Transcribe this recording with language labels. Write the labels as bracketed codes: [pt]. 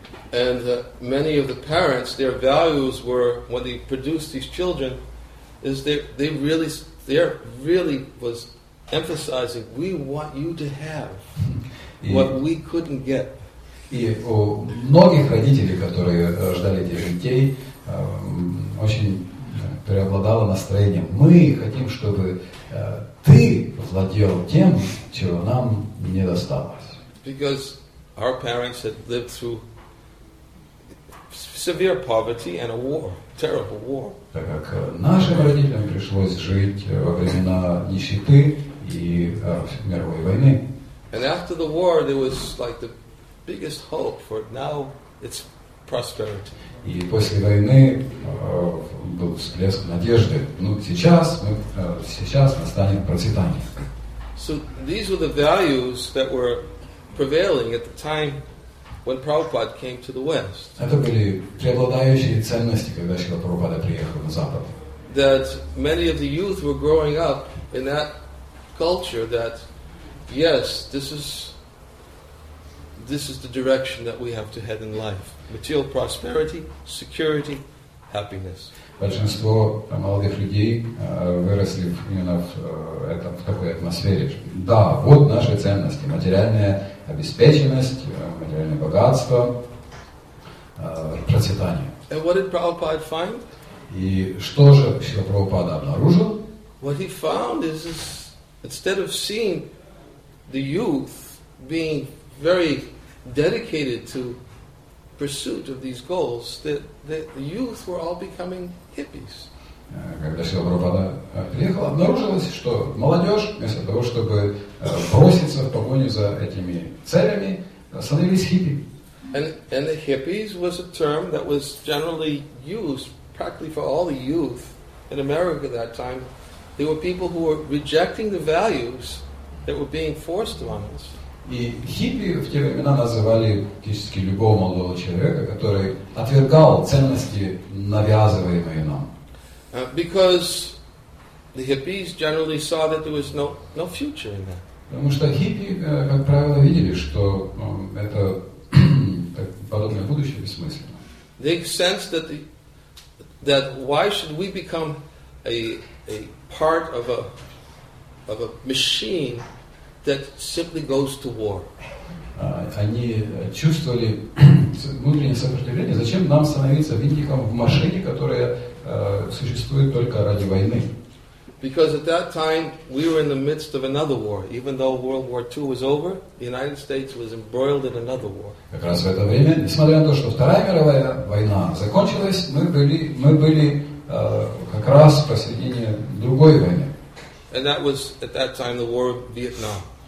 [en] And many of the parents, their values were when they produced these children, is they really was emphasizing, we want you to have what we couldn't get. [ru] И у многих родителей, которые рождали этих детей, очень преобладало настроение. Мы хотим, чтобы ты владел тем, чего нам не досталось. [en] Because our parents had lived through severe poverty and a war, terrible war. [ru] Так как нашим родителям пришлось жить во времена нищеты и мировой войны. [en] And after the war, there was like the biggest hope for it. Now it's prosperity. [ru] И после войны был всплеск надежды. Ну, сейчас настанет процветание. [en] So these were the values that were prevailing at the time when Prabhupada came to the West. [ru] Это были преобладающие ценности, когда Шрила Прабхупада приехал на Запад. [en] That many of the youth were growing up in that culture that, yes, this is the direction that we have to head in life. Material prosperity, security, happiness. [ru] Большинство молодых людей выросли именно в такой атмосфере. Да, вот наши ценности. Материальная обеспеченность, материальное богатство, процветание. [en] And what did Prabhupada find? [ru] И что же Шрила Прабхупада обнаружил? [en] What he found is instead of seeing the youth being very dedicated to pursuit of these goals, that the youth were all becoming hippies. [ru] Когда Шрила Прабхупада приехал, обнаружилось, что молодежь, вместо того, чтобы броситься в погоню за этими целями, становились хиппи. [en] And the hippies was a term that was generally used practically for all the youth in America at that time. They were people who were rejecting the values that were being forced on us. [ru] И хиппи в те времена называли практически любого молодого человека, который отвергал ценности, навязываемые нам. [en] Because the hippies generally saw that there was no future in that. [ru] Потому что хиппи, как правило, видели, что это подобное будущее бессмысленно. [en] They sensed that why should we become a part of a machine that simply goes to war. [ru] Они чувствовали внутреннее сопротивление. Зачем нам становиться винтиком в машине, которая существует только ради войны? [en] Because at that time we were in the midst of another war. Even though World War II was over, the United States was embroiled in another war. [ru] Как раз в это время, несмотря на то, что Вторая мировая война закончилась, мы были как раз посредине другой войны. [en] And that was at that time the war of Vietnam.